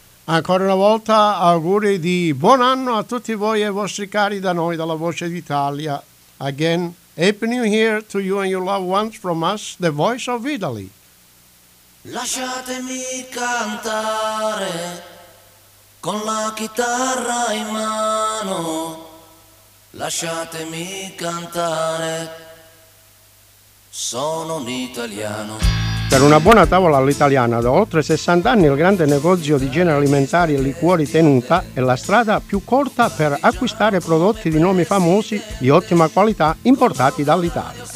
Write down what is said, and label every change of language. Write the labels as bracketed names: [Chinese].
[Italian] Ancora una volta auguri di buon anno a tutti voi e vostri cari da noi, dalla Voce d'Italia. [English] Again, Happy New Year to you and your loved ones from us, the Voice of Italy. [Italian] Lasciatemi cantare con la chitarra in mano, lasciatemi cantare, sono un italiano. Per una buona tavola all'italiana, da oltre 60 anni il grande negozio di generi alimentari e liquori Tenuta è la strada più corta per acquistare prodotti di nomi famosi di ottima qualità importati dall'Italia.